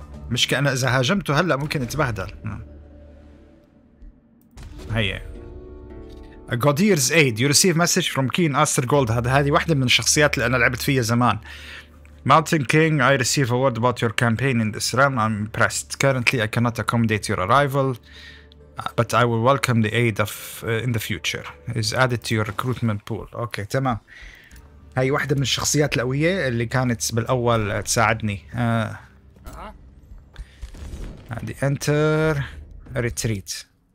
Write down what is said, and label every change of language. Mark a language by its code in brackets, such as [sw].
[ar] مش كأنا إذا هاجمته هلأ ممكن اتبهدل. [en] هيا. Godir's aid. You receive message from King Aster Gold. [ar] هذه واحدة من الشخصيات اللي أنا لعبت فيها زمان. [en] Mountain King. I receive a word about your campaign in this realm. I'm impressed. Currently I cannot accommodate your arrival. But I will welcome the aid of in the future. Is added to your recruitment pool. Okay, تمام. [ar] هاي واحدة من الشخصيات القوية اللي كانت بالأول تساعدني. عندي [en] enter retreat.